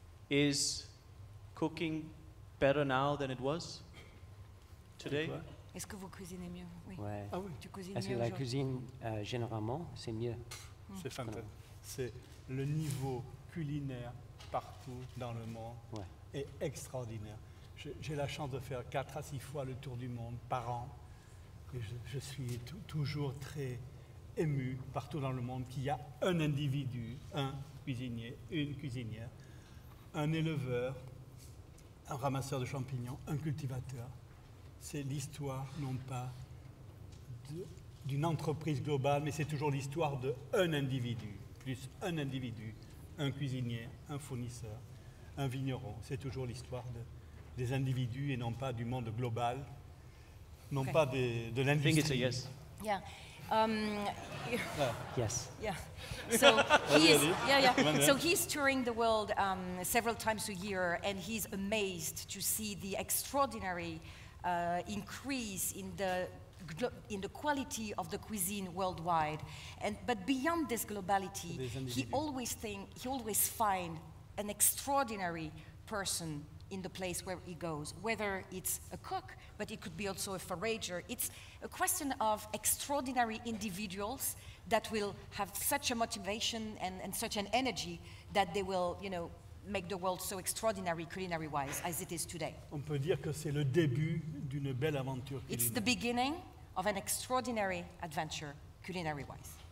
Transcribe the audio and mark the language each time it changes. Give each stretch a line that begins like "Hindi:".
English: is cooking better now than it was today?
French: Est-ce que vous cuisinez mieux? Oui. Ouais. Ah oui. Tu cuisines mieux aujourd'hui? Est-ce que la cuisine, généralement, c'est mieux? C'est fantastique. C'est le niveau culinaire partout dans le monde ouais. est extraordinaire. J'ai la chance de faire 4 à 6 fois le tour du monde par an. Et je suis toujours très ému partout dans le monde qu'il y a un individu, un cuisinier, une cuisinière, un éleveur, un ramasseur de champignons, un cultivateur. C'est l'histoire, non pas d'une entreprise globale, mais c'est toujours l'histoire d'un individu. Plus un individu, un cuisinier, un fournisseur, un vigneron. C'est toujours l'histoire des individus et non pas du monde global, non okay. pas de l'industrie.
English: I think it's a yes. Yeah. Yes. Yeah. So he's So he's touring the world several times a year, and he's amazed to see the extraordinary increase in the quality of the cuisine worldwide. But beyond this globality, he always finds an extraordinary person in the place where he goes, whether it's a cook, but it could be also a forager. It's a question of extraordinary individuals that will have such a motivation and such an energy that they will, you know, make the world so extraordinary culinary-wise as it is today.
French: On peut dire que c'est le début d'une belle aventure culinaire.
English: It's the beginning of an extraordinary adventure culinary-wise.